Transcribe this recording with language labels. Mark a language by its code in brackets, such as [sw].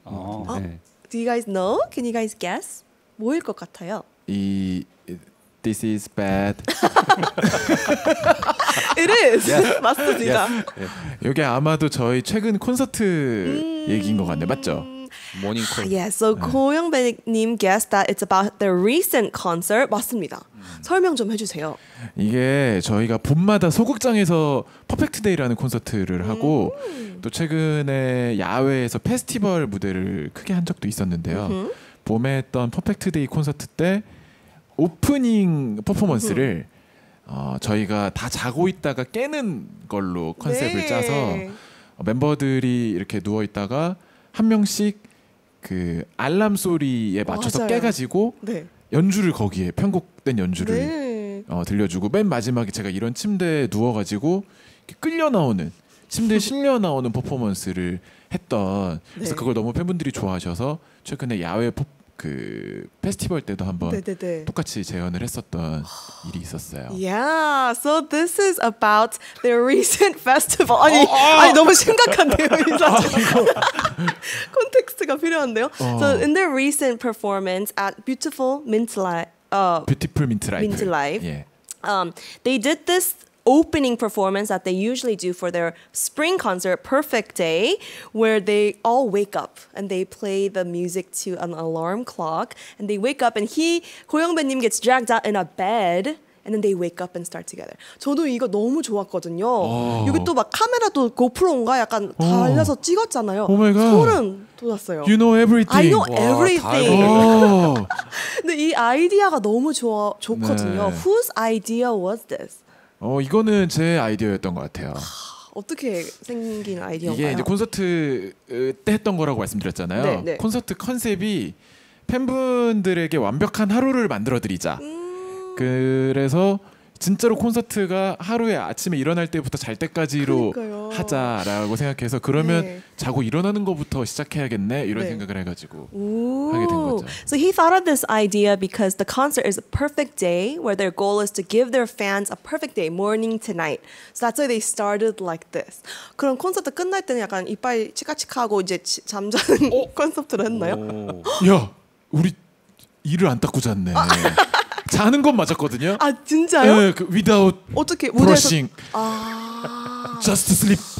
[en] Do you guys know? Can you guys guess? [ko] 뭐일 것 같아요? [en] This is bad. It is. Yeah. [ko] 맞습니다. [en] Yeah. Yeah. [ko] 이게 아마도 저희 최근 콘서트 얘기인 것 같네요. 맞죠? [en] Morning call. Yes. So 네. 고영배님 guessed that it's about the recent concert. [ko] 맞습니다. 설명 좀 해주세요. 이게 저희가 봄마다 소극장에서 퍼펙트 데이라는 콘서트를 하고 또 최근에 야외에서 페스티벌 무대를 크게 한 적도 있었는데요. 봄에 했던 퍼펙트 데이 콘서트 때 오프닝 퍼포먼스를 저희가 다 자고 있다가 깨는 걸로 컨셉을 네. 짜서 멤버들이 이렇게 누워 있다가 한 명씩 그 알람 소리에 맞춰서 맞아요. 깨가지고 네. 연주를 거기에 편곡된 연주를 네. 들려주고 맨 마지막에 제가 이런 침대에 누워가지고 이렇게 끌려 나오는 침대에 실려 나오는 퍼포먼스를 했던 네. 그래서 그걸 너무 팬분들이 좋아하셔서 최근에 야외 그 페스티벌 때도 한번 네, 네, 네. 똑같이 재연을 했었던 일이 있었어요. [en] Yeah, so this is about the recent festival. [ko] 아니, 아니 너무 심각한데요, 인사처럼. 콘텍스트가 필요한데요. [en] So in the recent performance at Beautiful Mint Life, Beautiful Mint Life, Mint Life. They did this opening performance that they usually do for their spring concert, Perfect Day, where they all wake up and they play the music to an alarm clock and they wake up and he, 고영배님 gets dragged out in a bed and then they wake up and start together. [ko] 저도 이거 너무 좋았거든요. 여기 또 막 카메라도 고프로인가 약간 달려서 찍었잖아요. 소름 돋았어요. [en] You know everything. I know everything. [ko] 근데 이 아이디어가 너무 좋거든요. [en] 네. Whose idea was this? [ko] 이거는 제 아이디어였던 것 같아요. 어떻게 생긴 아이디어인가요? 이게 이제 콘서트 때 했던 거라고 말씀드렸잖아요. 네, 네. 콘서트 컨셉이 팬분들에게 완벽한 하루를 만들어드리자. 그래서 진짜로 콘서트가 하루에 아침에 일어날 때부터 잘 때까지로 그러니까요. 하자라고 생각해서 그러면 네. 자고 일어나는 것부터 시작해야겠네 이런 네. 생각을 해가지고 하게 된 거죠. [en] So he thought of this idea because the concert is a perfect day where their goal is to give their fans a perfect day, morning to night. So that's why they started like this. [ko] 그럼 콘서트 끝날 때는 약간 이빨 치카치카하고 이제 잠자는 컨셉트로 했나요? 야, 우리 이를 안 닦고 잤네. 자는 건 맞았거든요. 아 진짜요? 네, 그 without 어떻게 brushing. 아 [en] just sleep.